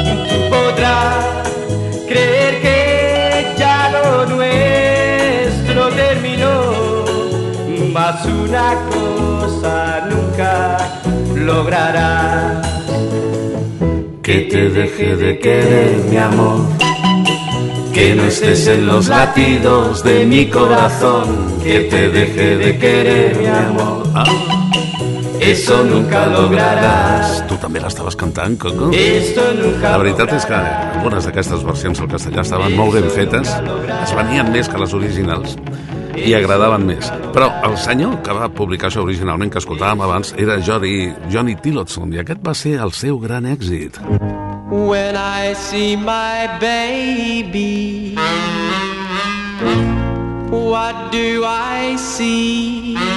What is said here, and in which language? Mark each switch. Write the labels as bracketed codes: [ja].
[es] Tú podrás creer que ya lo nuestro terminó, mas una cosa nunca lograrás. Que te deje de querer, mi amor. que no estés en los latidos de mi corazón, que te deje de querer, mi amor. Eso nunca lograrás. [ca] Tu també l'estaves cantant, Coco? [es] Esto nunca. [ca] La veritat és que algunes d'aquestes versions al castellà estaven molt ben fetes, es venien més que les originals i agradaven més. Però el senyor que va publicar això originalment, que escoltàvem abans, era Johnny Tillotson, i aquest va ser el seu gran èxit. [en] When I see my baby, what do I see?